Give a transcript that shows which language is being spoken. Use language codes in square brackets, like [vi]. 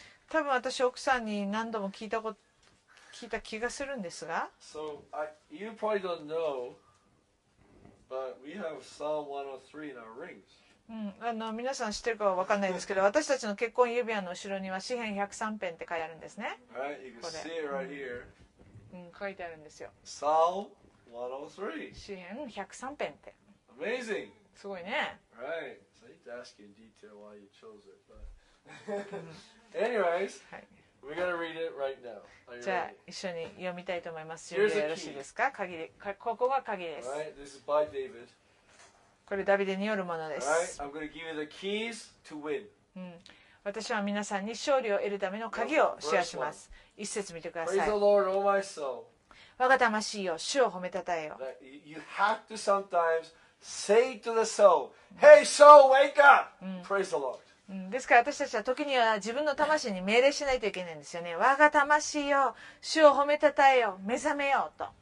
[ja] 多分私奥さんに何度も聞いた気がするんですが、 [en] so、you probably don't knowBut we have Psalm 103 in our rings. [ja] あの皆さん知ってるかは分かんないですけど、私たちの結婚指輪の後ろには詩編103編って書いてあるんですね。 [en] Right, you can see it right here. [ja] うん、書いてあるんですよ。 [en] Psalm 103. [ja] 詩編103編って。 [en] Amazing. [ja] すごいね。 [en] Right. So I need to ask you in detail why you chose it. But anyways, we're gonna read it right now. [ja] じゃあ一緒に読みたいと思います。準備よろしいですか。鍵で、ここが鍵です。 [en] right, this is by David. [ja] これダビデによるものです。 [en] right, I'm gonna give you the keys to win.、 [ja] うん、私は皆さんに勝利を得るための鍵をシェアします。一節見てください。 [en] Praise the Lord, oh my soul. [ja] 我が魂よ、主を褒めたたえよ。 [en] You have to sometimes say to the soul, Hey soul, wake up! Praise the Lord. [ja] ですから私たちは時には自分の魂に命令しないといけないんですよね。我が魂よ、主を褒めたたえよ、目覚めようと。